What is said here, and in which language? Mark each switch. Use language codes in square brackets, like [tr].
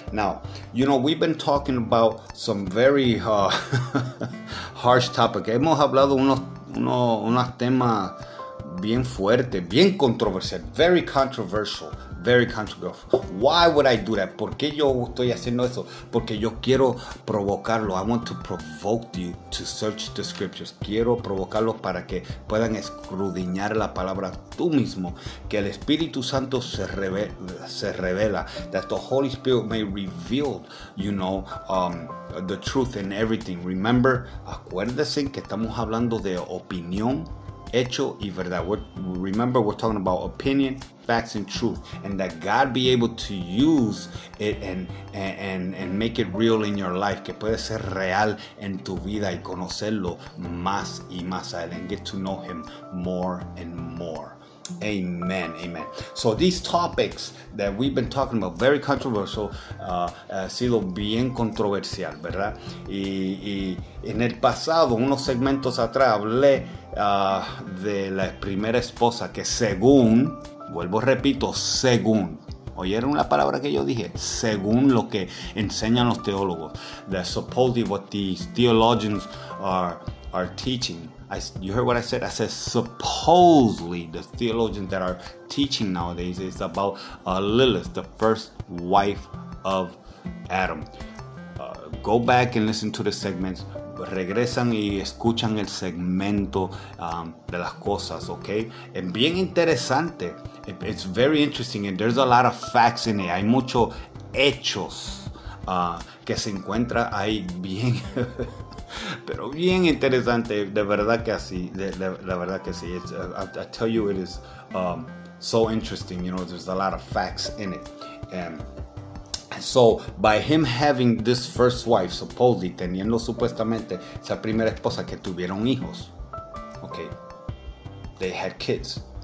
[en] Now, you know, we've been talking about some very harsh topic. [es] Hemos hablado unos temas bien fuertes, bien controversial, [en] very controversial. Very controversial. Why would I do that? [es] ¿Por qué yo estoy haciendo eso? Porque yo quiero provocarlo. [en] I want to provoke you to search the scriptures. [es] Quiero provocarlo para que puedan escudriñar la palabra tú mismo. Que el Espíritu Santo se revela. [en] That the Holy Spirit may reveal, you know, the truth in everything. [es] Remember, acuérdense que estamos hablando de opinión, hecho y verdad. [en] Remember, we're talking about opinion, facts, and truth, and that God be able to use it and make it real in your life. [es] Que puede ser real en tu vida y conocerlo más y más a él, [en] and get to know him more and more. Amen, amen. So these topics that we've been talking about, very controversial, [es] ha sido bien controversial, ¿verdad? Y en el pasado, unos segmentos atrás, hablé de la primera esposa que según, vuelvo repito, según, ¿oyeron la palabra que yo dije? Según lo que enseñan los teólogos, [en] that supposedly what these theologians are teaching. You heard what I said? I said supposedly the theologians that are teaching nowadays is about Lilith, the first wife of Adam. Go back and listen to the segments. [es] Regresan y escuchan el segmento de las cosas, okay? Es bien interesante. [en] It's very interesting and there's a lot of facts in it. [es] Hay muchos hechos que se encuentra ahí bien... Pero bien interesante, de verdad que así, de verdad que sí. [en] It's, I tell you, it is so interesting. You know, there's a lot of facts in it. And so, by him having this first wife, supposedly, [es] teniendo supuestamente esa primera esposa que tuvieron hijos. [en] Okay. They had kids.